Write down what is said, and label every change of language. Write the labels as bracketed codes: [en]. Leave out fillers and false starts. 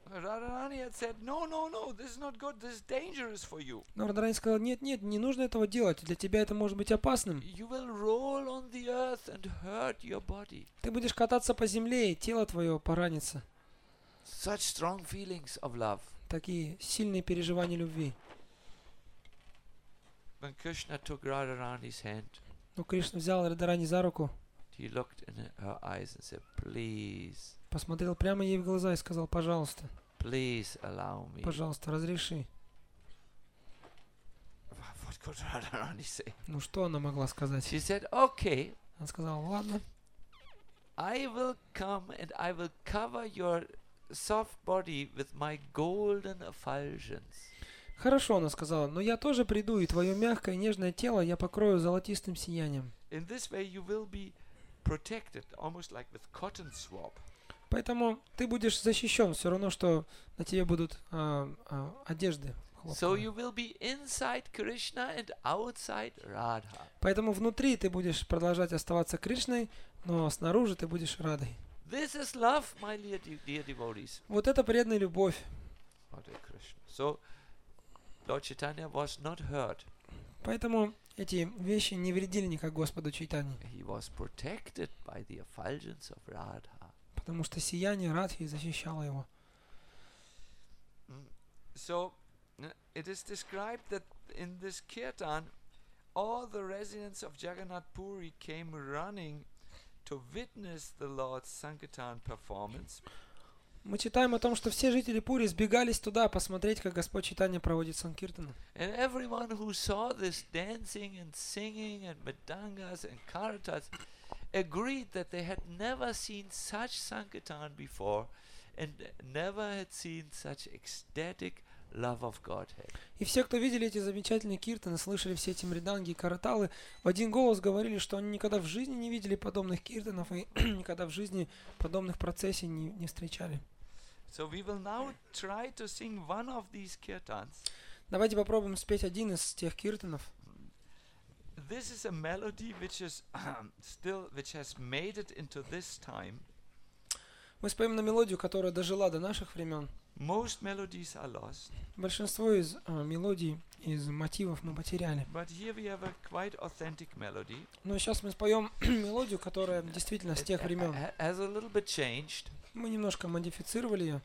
[en] Radharani had said, no, this is not good, this is dangerous for you. [ru] Но Радхарани сказал, нет, не нужно этого делать, для тебя это может быть опасным. [en] You will roll on the earth and hurt your body. [ru] Ты будешь кататься по земле, и тело твое поранится. [en] Such strong feelings of love. [ru] Такие сильные переживания любви. [en] When Krishna took Radharani's hand, [ru] но Кришна взял Радхарани за руку. [en] He looked in her eyes and said, "Please." [ru] Посмотрел прямо ей в глаза и сказал, пожалуйста. [en] Please allow me. [ru] Пожалуйста, разреши. [en] What could Radharani say? [ru] Ну что она могла сказать? [en] She said, "Okay." [ru] Она сказала, ладно. [en] I will come and I will cover your soft body with my golden effulgence. [ru] Хорошо, она сказала, но я тоже приду, и твое мягкое, нежное тело я покрою золотистым сиянием. [en] In this way you will be protected, almost like with cotton swab. [ru] Поэтому ты будешь защищен, все равно, что на тебе будут одежды. [en] So you will be inside Krishna and outside Radha. [ru] Поэтому внутри ты будешь продолжать оставаться Кришной, но снаружи ты будешь Радой. [en] This is love, my dear devotees. [ru] Вот это преданная любовь. [en] Hare Krishna. So, Lord Chaitanya was not hurt. [ru] Поэтому эти вещи не вредили никак Господу Чайтане. [en] He was protected by the effulgence of Radha. [ru] Потому что сияние Радхи защищало его. [en] So it is described that in this kirtan all the residents of Jagannath Puri came running to witness the Lord's Sankirtan performance. [ru] Мы читаем о том, что все жители Пури сбегались туда посмотреть, как Господь Чайтанья проводит санкиртану. [en] And everyone who saw this dancing and singing and madangas and karatas agreed that they had never seen such sankirtan before and never had seen such ecstatic love of Godhead. [ru] И все, кто видели эти замечательные киртаны, слышали все эти мриданги и караталы, в один голос говорили, что они никогда в жизни не видели подобных киртанов и никогда в жизни подобных процессий не встречали. [en] So we will now try to sing one of these kirtans. [ru] Давайте попробуем спеть один из тех киртанов. [en] This is a melody which is still which has made it into this time. [ru] Мы споем на мелодию, которая дожила до наших времен. [en] Most melodies are lost. [ru] Большинство из мелодий, из мотивов мы потеряли. [en] But here we have a quite authentic melody. [ru] Но сейчас мы споем мелодию, которая действительно с тех времен. [en] Has a little bit changed. [ru] Мы немножко модифицировали ее.